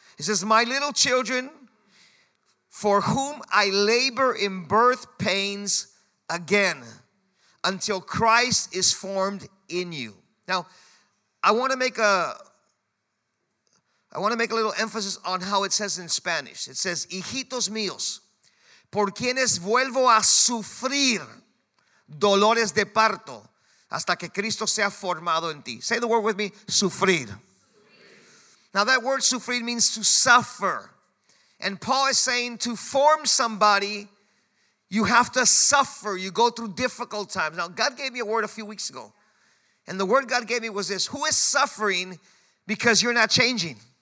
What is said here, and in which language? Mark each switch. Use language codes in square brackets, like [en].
[en] It says, my little children, for whom I labor in birth pains again, until Christ is formed in you. Now, I want to make a little emphasis on how it says in Spanish. It says, [es] hijitos míos, por quienes vuelvo a sufrir dolores de parto hasta que Cristo sea formado en ti. [en] Say the word with me, sufrir. Now that word sufrir means to suffer. And Paul is saying to form somebody, you have to suffer. You go through difficult times. Now God gave me a word a few weeks ago. And the word God gave me was this: who is suffering because you're not changing?